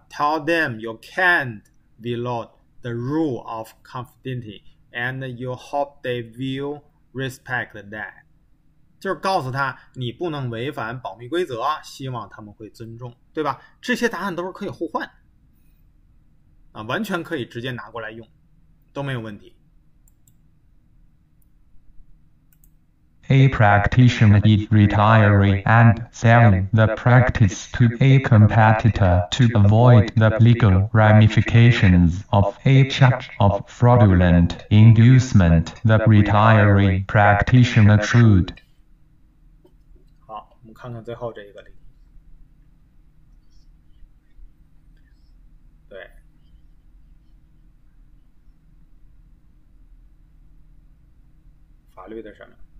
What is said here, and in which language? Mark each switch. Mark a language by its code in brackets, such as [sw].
[en] Tell them you can't violate the rule of confidentiality and you hope they will respect that， [zh] 就是告诉他你不能违反保密规则，希望他们会尊重，对吧？这些答案都是可以互换啊，完全可以直接拿过来用，都没有问题。 [en] A practitioner is retiring and selling the practice to a competitor to avoid the legal ramifications of a charge of fraudulent inducement. The retiring practitioner should。 [zh] 看看最后这一个例子，对，法律的什么？